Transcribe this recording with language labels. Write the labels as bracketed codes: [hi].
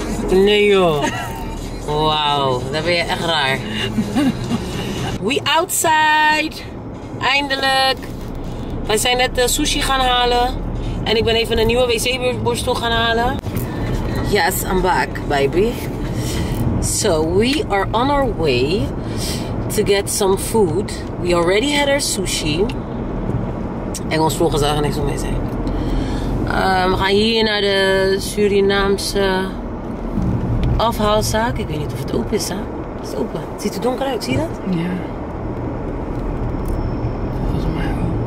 [nl] Nee joh. Wauw, dat ben je echt raar. [en] We outside. [nl] Eindelijk. Wij zijn net sushi gaan halen. En ik ben even een nieuwe wc-borstel gaan halen. [en] Yes, I'm back, baby. So, we are on our way to get some food. We already had our sushi. [nl] Engels vloggen zagen niks om mee zijn. We gaan hier naar de Surinaamse afhaalzaak. Ik weet niet of het open is, hè? Het is open. Het ziet er donker uit, zie je dat? Ja. Volgens mij wel.